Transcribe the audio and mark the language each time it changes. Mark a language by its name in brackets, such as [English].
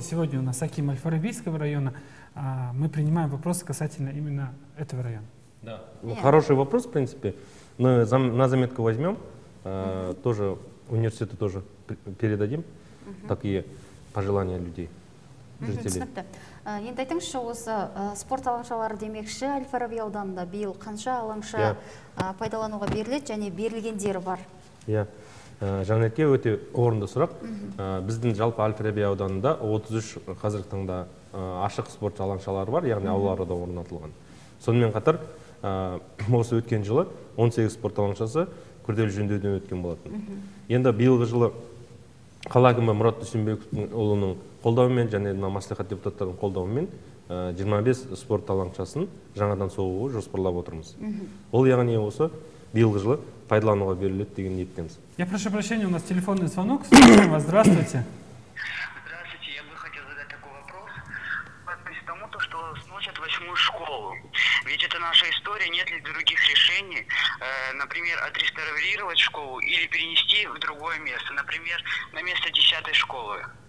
[Russian] Сегодня у нас аким Аль-Фарабийского района. Мы принимаем вопросы касательно именно этого района. Да. Хороший вопрос, в принципе. Мы на заметку возьмем. Тоже университету тоже передадим. Такие пожелания людей. [Kazakh] Енді айтыңызшы, осы спорт алаңшалары демекші Әл-Фараби ауданында биыл қанша алаңша пайдалануға беріледі және берілгендері бар? Жанетке өте орынды сұрақ. Біздің жалпы Әл-Фараби ауданында 33 қазіргі таңда ашық спорт алаңшалары бар, яғни аулалары да орнатылған. Сонымен қатар осы өткен жылы 18 спорт алаңшасы күрделі жөндеуден өткен болатын. Енді биылғы жылы қала әкімі Мұрат Дүйсенбековтің қолдауымен және мәслихат депутаттарының қолдауымен 25 спорт алаңшасын жаңадан соғуға жоспарлап отырмыз. Ол яғни осы биылғы жылы пайдалануға беріледі деген ниеттеміз. [Russian] Я прошу прощения, у нас телефонный звонок. Здравствуйте. Здравствуйте, я бы хотел задать такой вопрос. Относительно тому, что сносят 8-ю школу. Ведь это наша история, нет ли других решений, например, отреставрировать школу или перенести в другое место, например, на место 10-й школы.